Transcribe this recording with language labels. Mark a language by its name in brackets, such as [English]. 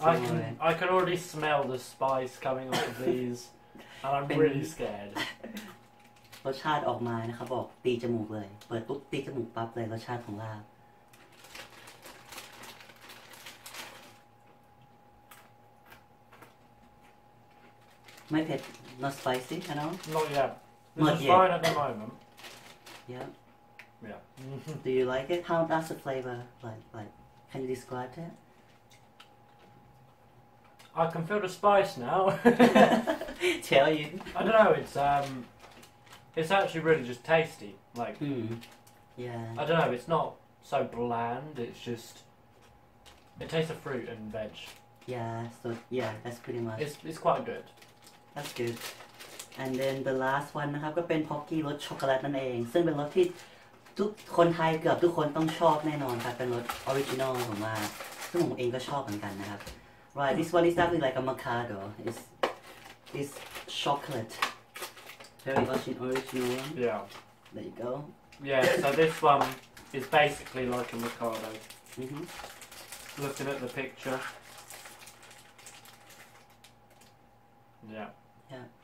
[English] I can already smell the spice coming off of these, and I'm really scared. [Thai] รสชาติออกมานะครับบอกตีจมูกเลยเปิดปุ๊บตีจมูกปั๊บเลยรสชาติของลาบ ไม่เผ็ด [English] not spicy you know not yet not yet fine at the moment yeah yeah do you like it how does the flavor like can you describe it I can feel the spice now. Tell you. I don't know, it's actually really just tasty. Like, yeah. I don't know, it's not so bland, it's just, it tastes of fruit and veg. Yeah, so, yeah, that's pretty much. It's quite good. That's good. [Thai] And then the last one, นะครับ ก็เป็น Pocky รสช็อกโกแลตนั่นเอง ซึ่งเป็นรสที่ทุกคนไทยเกือบทุกคนต้องชอบแน่นอนครับ เป็นรสออริจินอลผมว่า ซึ่งผมเองก็ชอบเหมือนกันนะครับ [English] Right, this one is definitely like a macado. It's chocolate. Very much an original one. Yeah. There you go. Yeah, so this one is basically like a macado. Mm-hmm. Looking at the picture. Yeah. Yeah.